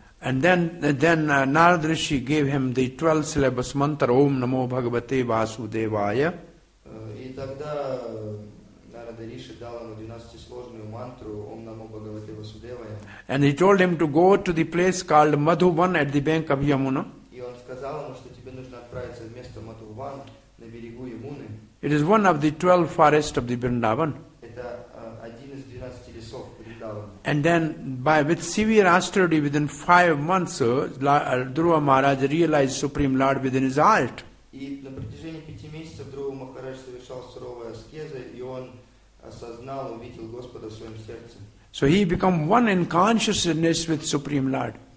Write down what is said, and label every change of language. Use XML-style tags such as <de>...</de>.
<en>And then Narada Rishi gave him the 12th syllabus mantra, Om Namo Bhagavate Vasudevaya.</en> <ru>И тогда Нарада Риши дал ему 12-сложную мантру Ом Намо Бхагавате Васудевая.</ru> <en>And he told him to go to the place called Madhuvan at the bank of Yamuna.</en> <ru>И сказал ему, что тебе нужно отправиться в место Матхуван на берегу Ямуны.</ru> <en>It is one of the 12 forests of the Vrindavan.</en> <ru>Это один из 12 лесов Вриндавана.</ru> <en>And then with severe austerity within 5 months, Dhruva Maharaj realized Supreme Lord within his heart.</en> <ru>И на протяжении 5 месяцев Dhruva Maharaj совершал суровые аскезы, и он осознал, увидел Господа в своем сердце.</ru> <en>So he became one in consciousness with Supreme Lord.</en>